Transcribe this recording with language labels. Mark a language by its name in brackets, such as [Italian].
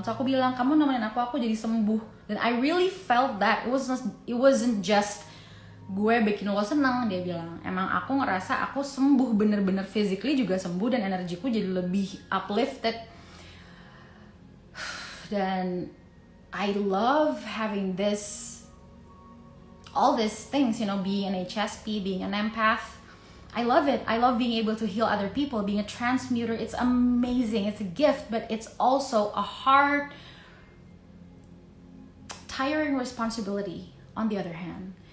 [Indonesian] So aku bilang, kamu nemenin aku jadi sembuh. [English] Dan I really felt that it wasn't just [Indonesian] gue bikin lo senang, dia bilang. Emang aku ngerasa aku sembuh, bener-bener physically juga sembuh, dan energiku jadi lebih uplifted. [English] Dan I love having this, all these things, you know, being an HSP, being an empath. I love it. I love being able to heal other people, being a transmuter. It's amazing. It's a gift, but it's also a hard, tiring responsibility on the other hand.